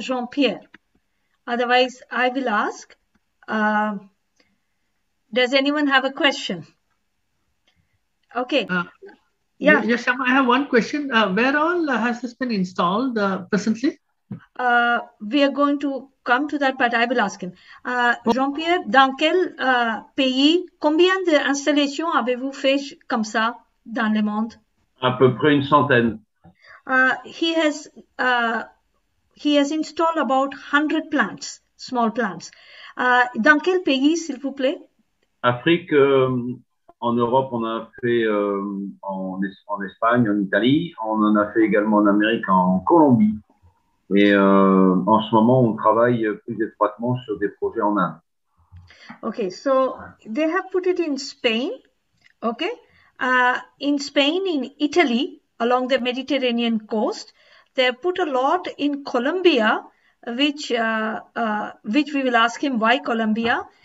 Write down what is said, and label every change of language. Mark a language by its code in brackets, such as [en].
[en] Jean-Pierre? Otherwise, I will ask. Does anyone have a question? Okay. Yeah. Yes, I have one question. Where all has this been installed presently? We are going to come to that, but I will ask him. [fr] Jean-Pierre, dans quel pays, combien d'installations avez-vous fait comme ça dans le monde? À peu près une centaine. [en] He has installed about 100 plants, small plants. [fr] Dans quel pays, s'il vous plaît? Afrique, en Europe, on a fait en Espagne, en Italie, on en a fait également en Amérique, en Colombie. Et en ce moment, on travaille plus étroitement sur des projets en Inde. [en] Okay, so they have put it in Spain, okay? In Spain, in Italy, along the Mediterranean coast, they have put a lot in Colombia, which we will ask him why Colombia.